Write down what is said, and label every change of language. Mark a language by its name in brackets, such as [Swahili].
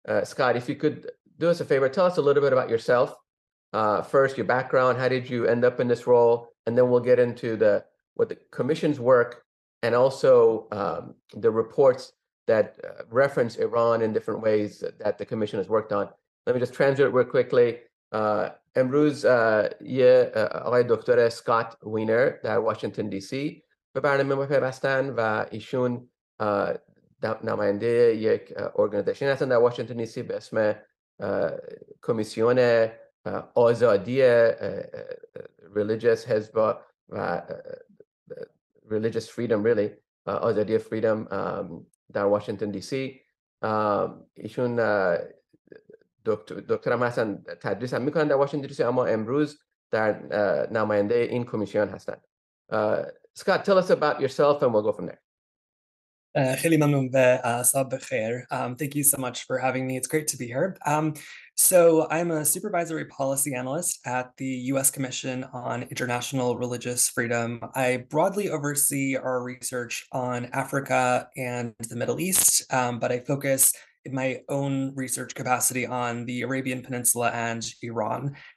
[English] Scott, if you could do us a favor, tell us a little bit about yourself. First, your background, how did you end up in this role? And then we'll get into what the commission's work and also the reports that reference Iran in different ways that the commission has worked on. Let me just translate real quickly. [Persian] امروز یه آقای دکتر اسکات وینر در واشنگتن دی سی به برنامه ما پیوستن و ایشون نماینده یک ارگانیزیشن هستن در واشنگتن دی سی به اسم کمیسیون آزادی ریلیجیس حزب و [English] religious freedom, really, [Persian] آزادی فریدم در واشنگتن دی سی. ایشون دکتر هم هستن، تدریس هم میکنن در واشنگتن دی سی، اما امروز در نماینده این کمیسیون هستن. [English] Scott, tell us about yourself and we'll go from there. [Persian] خیلی ممنون و صبح بخیر. [English] Thank you so much for having me. It's great to be here. So I'm a supervisory policy analyst at the U.S. Commission on International Religious Freedom. I broadly oversee our research on Africa and the Middle East, but I focus in my own research capacity on the Arabian Peninsula and Iran.